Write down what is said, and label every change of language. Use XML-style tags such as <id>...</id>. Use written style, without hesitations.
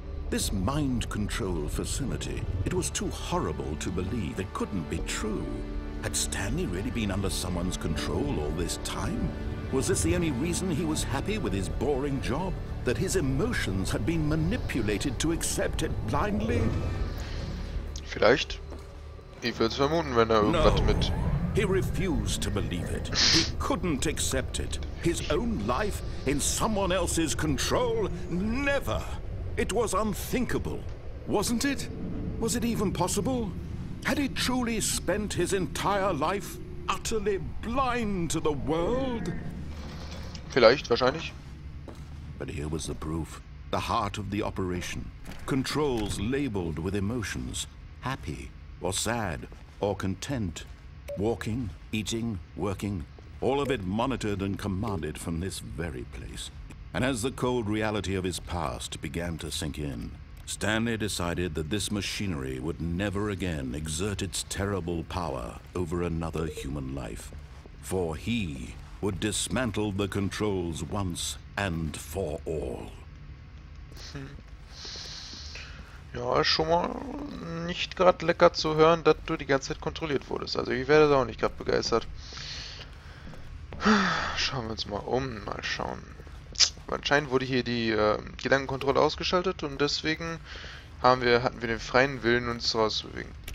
<en>This mind control facility, it was too horrible to believe. It couldn't be true. Had Stanley really been under someone's control all this time? Was this the only reason he was happy with his boring job? That his emotions had been manipulated to accept it blindly?</en> <de>Vielleicht. Ich würde es vermuten, wenn er irgendwas mit.</de> <en>He refused to believe it. He couldn't accept it. His own life in someone else's control? Never. It was unthinkable. Wasn't it? Was it even possible? Had he truly spent his entire life utterly blind to the world?</en> <de>Vielleicht, wahrscheinlich.</de> <en>But here was the proof, the heart of the operation. Controls labeled with emotions, happy or sad or content. Walking, eating, working, all of it monitored and commanded from this very place. And as the cold reality of his past began to sink in, Stanley decided that this machinery would never again exert its terrible power over another human life. For he would dismantle the controls once and for all.</en> <de>Ja, ist schon mal nicht gerade lecker zu hören, dass du die ganze Zeit kontrolliert wurdest. Also ich werde da auch nicht gerade begeistert. Schauen wir uns mal um, mal schauen. Anscheinend wurde hier die Gedankenkontrolle ausgeschaltet und deswegen hatten wir den freien Willen, uns rauszubewegen.</de>